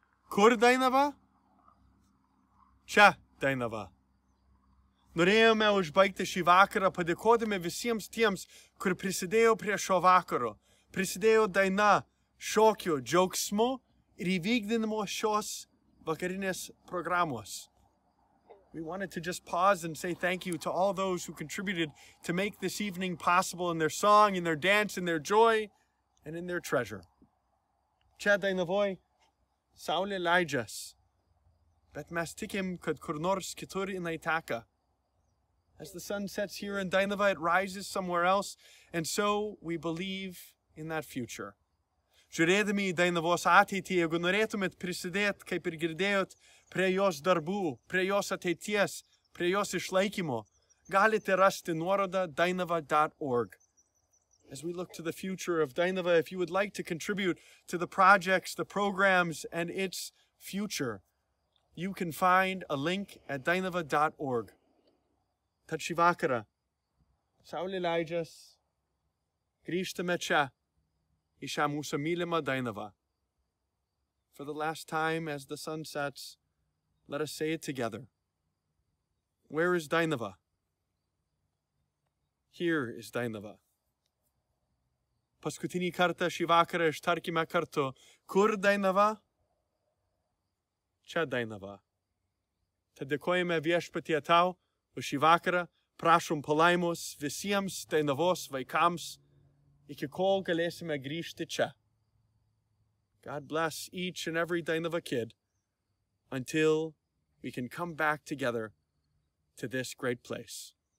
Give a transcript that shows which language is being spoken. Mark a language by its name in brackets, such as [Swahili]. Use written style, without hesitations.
[Lithuanian] Kur Dainava? Čia Dainava. Norėjome užbaigti šį vakarą padėkodami visiems tiems, kur prisidėjo prie šio vakaro. Prisidėjo daina, šokio, džiaugsmo ir įvykdinimo šios vakarinės programos. [English] We wanted to just pause and say thank you to all those who contributed to make this evening possible in their song, in their dance, in their joy, and in their treasure. [Lithuanian] Čia Dainavoj. Saulė leidžias, bet mes tikim, kad kur nors kitur jinai teka. [English] As the sun sets here in Dainava, it rises somewhere else, and so we believe in that future. [Lithuanian] Žiūrėdami į Dainavos ateitį, jeigu norėtumėt prisidėti, kaip ir girdėjot, prie jos darbų, prie jos ateities, prie jos išlaikymo, galite rasti nuorodą dainava.org. [English] As we look to the future of Dainava, if you would like to contribute to the projects, the programs, and its future, you can find a link at dainava.org. [Lithuanian] Tad šį vakarą, saulė leidžias, grįžtame čia, į šią mūsų mylimą Dainavą. [English] For the last time, as the sun sets, let us say it together. Where is Dainava? Here is Dainava. [Lithuanian] Paskutinį kartą šį vakarą ištarkime kartu. Kur Dainava? Čia Dainava. Tad dėkojame viešpatie tau už šį vakarą. Prašom palaimos visiems Dainavos vaikams, iki kol galėsime grįžti čia. [English] God bless each and every Dainava kid until we can come back together to this great place.